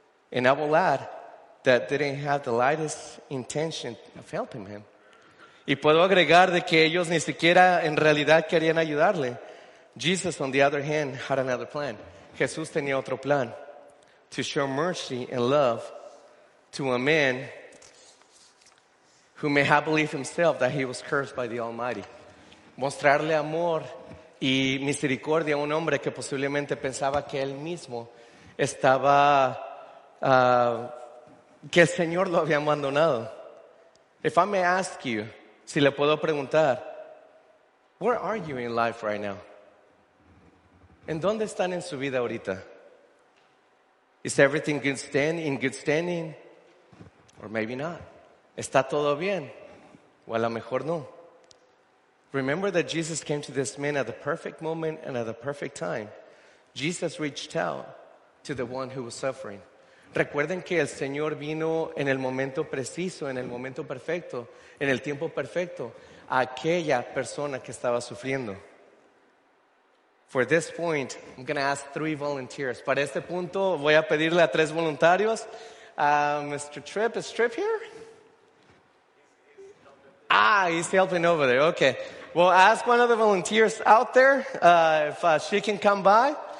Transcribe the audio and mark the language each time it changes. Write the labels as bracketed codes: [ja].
[en] And I will add that they didn't have the lightest intention of helping him. [es] Y puedo agregar de que ellos ni siquiera en realidad querían ayudarle. [en] Jesus, on the other hand, had another plan. [es] Jesús tenía otro plan. [en] To show mercy and love to a man who may have believed himself that he was cursed by the Almighty. [es] Mostrarle amor y misericordia a un hombre que posiblemente pensaba que él mismo estaba, que el Señor lo había abandonado. [en] If I may ask you, [es] si le puedo preguntar, [en] where are you in life right now? [es] ¿En dónde están en su vida ahorita? [en] Is everything in good standing? Or maybe not. [es] ¿Está todo bien? O a lo mejor no. [en] Remember that Jesus came to this man at the perfect moment and at the perfect time. Jesus reached out to the one who was suffering. [es] Recuerden que el Señor vino en el momento preciso, en el momento perfecto, en el tiempo perfecto, a aquella persona que estaba sufriendo. [en] For this point, I'm going to ask 3 volunteers. [es] Para este punto, voy a pedirle a 3 voluntarios. [en] Mr. Tripp, is Tripp here? Ah, he's helping over there. Okay. Well, ask one of the volunteers out there if she can come by.